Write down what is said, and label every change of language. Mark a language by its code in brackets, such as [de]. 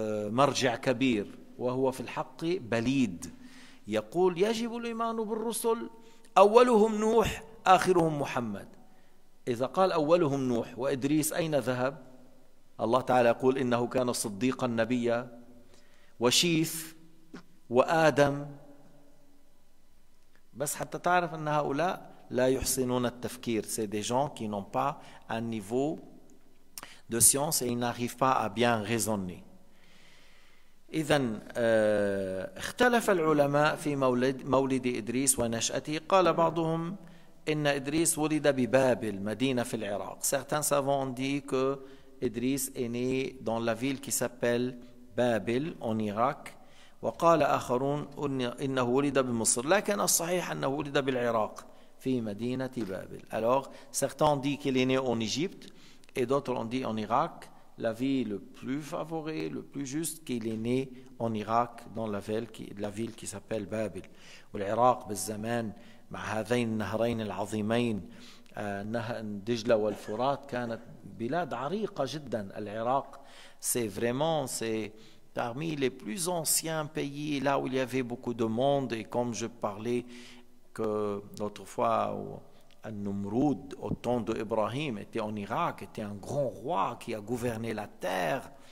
[ar] مرجع كبير وهو في الحق بليد يقول يجب الإيمان بالرسل أولهم نوح آخرهم محمد إذا قال أولهم نوح وإدريس أين ذهب الله تعالى يقول إنه كان صديقا نبيا وشيث وآدم بس حتى تعرف أن هؤلاء لا يحسنون التفكير [fr] c'est des gens qui n'ont pas un niveau de science et ils n'arrivent pas à bien raisonner [ar] إذن اختلف العلماء في مولد إدريس ونشأته. قال بعضهم إن إدريس ولد ببابل مدينة في العراق. [fr] Certains savants ont dit que Idris est né dans la ville qui s'appelle Babel en Irak. [ar] وقال آخرون إنه ولد بمصر. لكن الصحيح أنه ولد بالعراق في مدينة بابل. [fr] Alors certains ont dit qu'il est né en Égypte et d'autres ont dit en Irak. La vie le plus favorée, le plus juste, qu'il est né en Irak dans la ville qui s'appelle Babel. [ar] والعراق بالزمان مع هذين النهرين العظيمين دجلة والفرات كانت بلاد عريقة جدا. [fr] العراق c'est parmi les plus anciens pays, là où il y avait beaucoup de monde. Et comme je parlais que autrefois Al-Numrud, au temps d'Ibrahim, était en Irak, était un grand roi qui a gouverné la terre.